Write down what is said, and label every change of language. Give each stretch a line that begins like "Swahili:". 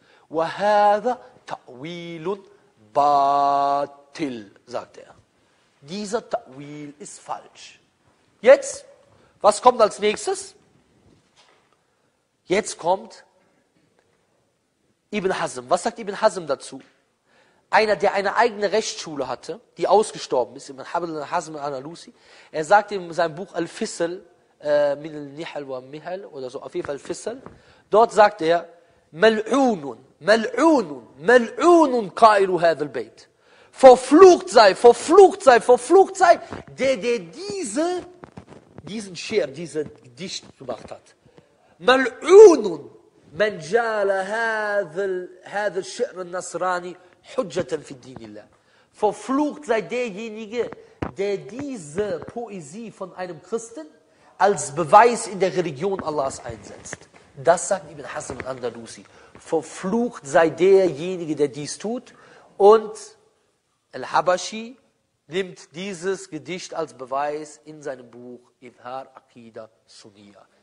Arabic: وَهَذَا تَعْوِيلٌ بَاطِلٌ,
German: sagt er. Dieser Ta'wil ist falsch. Jetzt, was kommt als nächstes? Jetzt kommt Ibn Hazm. Was sagt Ibn Hazm dazu? Einer, der eine eigene Rechtsschule hatte, die ausgestorben ist, Ibn Hazm al-Analusi, er sagt in seinem Buch Al-Fissel, min al-Nihal wa Mihal, oder so, auf jeden Fall Al-Fissel, dort sagt er,
Arabic: mal'unun, mal'unun, mal'unun qailu hadha al-Bayt.
German: Verflucht sei, verflucht sei, verflucht sei, der diesen Scher, diese Gedicht gemacht hat.
Arabic: Mal'unun. من جعل هذا الشعر النصراني حجة في الدين الله.
German: Verflucht sei derjenige, der diese Poesie von einem Christen als Beweis in der Religion Allahs einsetzt. Das sagt Ibn Hazm al-Andalusi. Verflucht sei derjenige, der dies tut. Und Al-Habashi nimmt dieses Gedicht als Beweis in seinem Buch Ithar Aqida Sunniya.